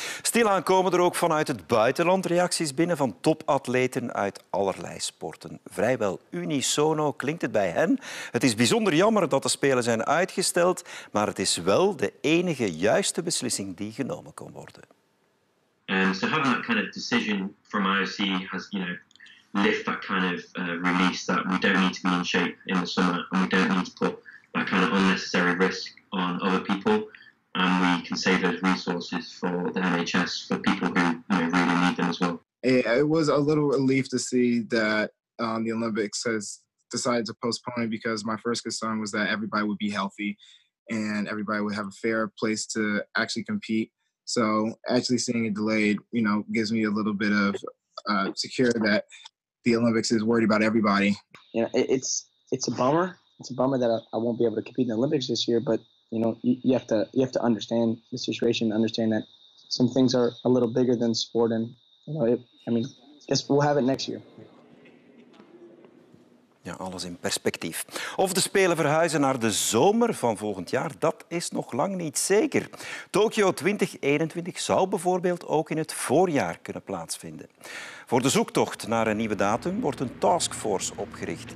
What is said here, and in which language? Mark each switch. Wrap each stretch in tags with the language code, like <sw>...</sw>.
<nl>Stilaan komen er ook vanuit het buitenland reacties binnen van topatleten uit allerlei sporten. Vrijwel unisono klinkt het bij hen. Het is bijzonder jammer dat de Spelen zijn uitgesteld, maar het is wel de enige juiste beslissing die genomen kon worden.</nl> <en>So having that kind of decision from IOC has, lift that kind of release that we don't need to be in shape in the summer and we don't need to put that kind of unnecessary risk on other people. And we can save those resources for the NHS, for people who really need them as well. It was a little relief to see that the Olympics has decided to postpone it because my first concern was that everybody would be healthy and everybody would have a fair place to actually compete. So actually seeing it delayed, gives me a little bit of secure that the Olympics is worried about everybody. Yeah, it's a bummer, it's a bummer that I won't be able to compete in the Olympics this year, but you know, you have to understand the situation, understand that some things are a little bigger than sport, and you know, I guess we'll have it next year.</en> <nl>Ja, alles in perspectief. Of de Spelen verhuizen naar de zomer van volgend jaar, dat is nog lang niet zeker. Tokio 2021 zou bijvoorbeeld ook in het voorjaar kunnen plaatsvinden. Voor de zoektocht naar een nieuwe datum wordt een taskforce opgericht.</nl>